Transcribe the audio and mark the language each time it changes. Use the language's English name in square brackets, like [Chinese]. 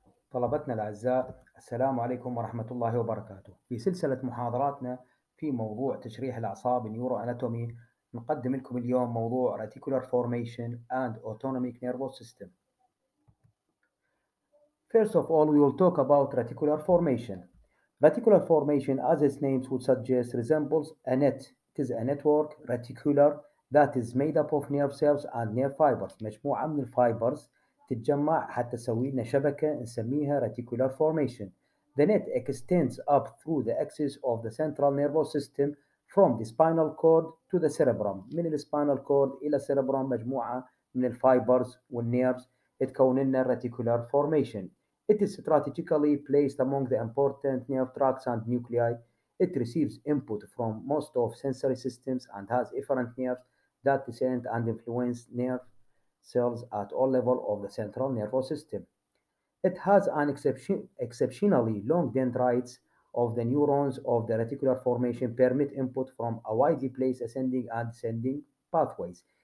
[Arabic] طلبتنا الأعزاء، السلام عليكم ورحمة الله وبركاته. في سلسلة محاضراتنا في موضوع تشريح الأعصاب Neuroanatomy، نقدم لكم اليوم موضوع [English] Reticular Formation and Autonomic Nervous System. First of all, we will talk about Reticular Formation. Reticular Formation, as its name would suggest, resembles a net. It is a network, reticular, that is made up of nerve cells and nerve fibers. [Arabic] مجموعة من الفايبرز تتجمع حتى تسوي لنا شبكة نسميها Reticular Formation. [English] The net extends up through the axis of the central nervous system from the spinal cord to the cerebrum. [Arabic] من الspinal cord إلى cerebrum مجموعة من الفايبرز والنيرفز تكون لنا Reticular Formation. [English] It is strategically placed among the important nerve tracts and nuclei. It receives input from most of sensory systems and has efferent nerves that descend and influence nerve cells at all levels of the central nervous system. It has an exceptionally long dendrites of the neurons of the reticular formation permit input from a widely placed ascending and descending pathways.